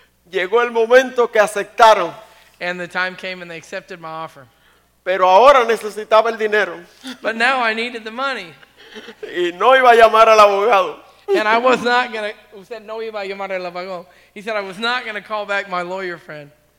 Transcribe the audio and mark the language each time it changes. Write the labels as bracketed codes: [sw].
[es] Llegó el momento que aceptaron. [en] And the time came and they accepted my offer. [es] Pero ahora necesitaba el dinero. [en] But now I needed the money. [es] Y no iba a llamar al abogado. [en] And I was not going to, [es] usted no iba a llamar al abogado. [en] He said I was not going to call back my lawyer friend.